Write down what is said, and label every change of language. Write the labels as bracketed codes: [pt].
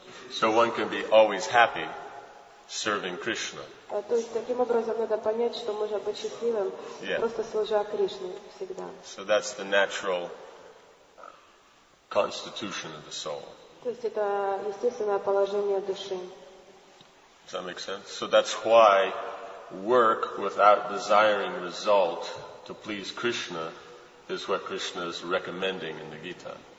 [en] So one can be always happy serving Krishna. [ru] То есть таким образом надо понять, что можно быть счастливым, просто служа Кришне всегда. [en] So that's the natural constitution of the soul. [ru] То есть это естественное положение души. [en] Does that make sense? So that's why work without desiring result to please Krishna is what Krishna is recommending in the Gita.